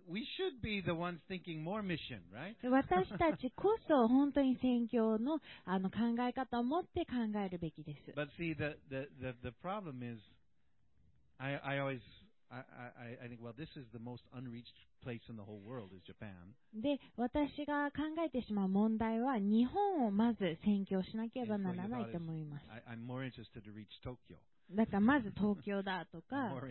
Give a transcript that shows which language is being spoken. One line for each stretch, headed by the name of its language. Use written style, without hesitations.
English: We should be the ones thinking more mission, right?
Japanese: 私たちこそ本当に宣教の考え方を持って考えるべきです。
English: But see the problem is, I think, well, this is the most unreached place in the whole world is Japan.
Japanese: で、私が考えてしまう問題は、日本をまず宣教しなければならないと思います。
English: I'm more interested to reach Tokyo.
Japanese: だからまず東京だとか